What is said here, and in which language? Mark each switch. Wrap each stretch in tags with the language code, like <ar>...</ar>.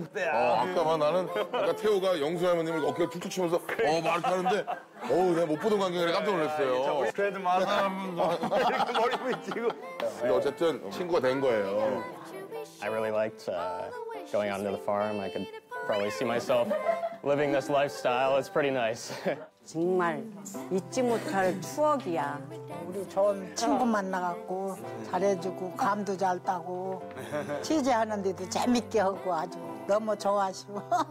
<ko>아, 아까 봐, 나는 아까 태호가 영수 할머님을 어깨 툭툭 치면서 어 말을 하는데 어우 내가 못 보던 광경이라 깜짝 놀랐어요. 그래도 많은 사람들 머리 붙이고. 근데 어쨌든 친구가 된 거예요.</ko> <en>I really liked going onto the farm. I could probably see myself living this lifestyle. It's pretty nice.</en> <ko>정말 잊지 못할 추억이야. 우리 좋은 친구 만나갖고 잘해주고 감도 잘 따고 취재하는데도 재밌게 하고 아주 너무 좋아하시고.</ko>